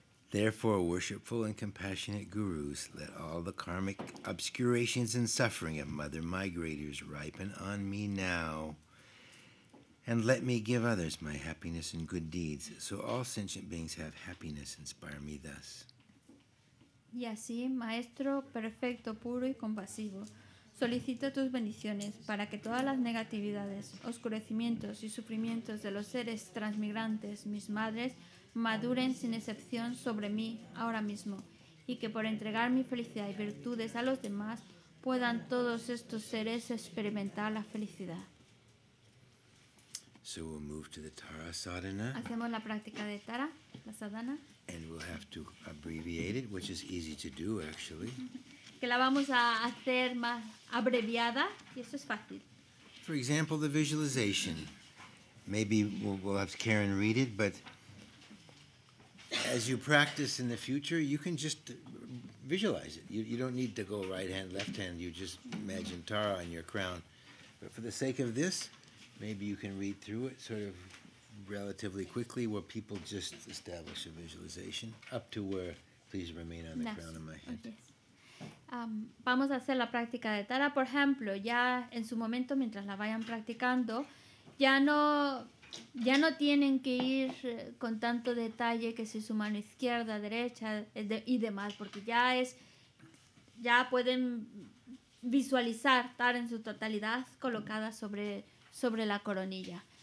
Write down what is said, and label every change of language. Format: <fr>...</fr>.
<en>Therefore, worshipful and compassionate gurus, let all the karmic obscurations and suffering of mother migrators ripen on me now, and let me give others my happiness and good deeds, so all sentient beings have happiness, inspire me thus.</en> <es>Y así, maestro perfecto, puro y compasivo, solicito tus bendiciones para que todas las negatividades, oscurecimientos y sufrimientos de los seres transmigrantes, mis madres, maduren sin excepción sobre mí ahora mismo, y que por entregar mi felicidad y virtudes a los demás, puedan todos estos seres experimentar la felicidad.</es> <en>So we'll move to the Tara Sadhana.</en> <es>Hacemos la práctica de Tara, la Sadhana.</es> <en>And we'll have to abbreviate it, which is easy to do, actually.</en> <es>Que la vamos a hacer más abreviada, y eso es fácil.</es> <en>For example, the visualization. Maybe we'll have Karen read it, but as you practice in the future, you can just visualize it. You don't need to go right hand, left hand. You just imagine Tara on your crown. But for the sake of this, maybe you can read through it sort of relatively quickly where people just establish a visualization up to where please remain on the Next. Crown of my head. Yes.</en> <es>Vamos a hacer la práctica de Tara, por ejemplo, ya en su momento, mientras la vayan practicando, ya no tienen que ir con tanto detalle que si su mano izquierda, derecha y demás, porque ya pueden visualizar Tara en su totalidad colocada sobre la coronilla.</es>